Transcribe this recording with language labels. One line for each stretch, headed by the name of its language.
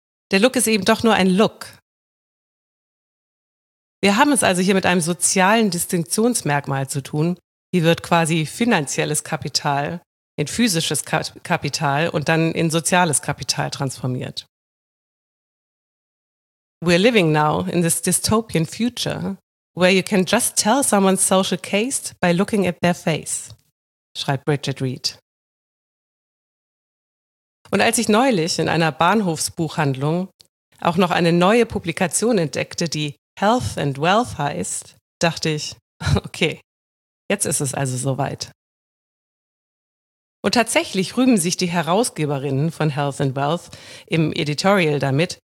German: Der Look ist eben doch nur ein Look. Wir haben es also hier mit einem sozialen Distinktionsmerkmal zu tun. Hier wird quasi finanzielles Kapital in physisches Kapital und dann in soziales Kapital transformiert.
English: We're living now in this dystopian future where you can just tell someone's social caste by looking at their face,
German: schreibt Bridget Reed. Und als ich neulich in einer Bahnhofsbuchhandlung auch noch eine neue Publikation entdeckte, die Health and Wealth heißt, dachte ich, okay. Jetzt ist es also soweit. Und tatsächlich rühmen sich die Herausgeberinnen von Health and Wealth im Editorial damit,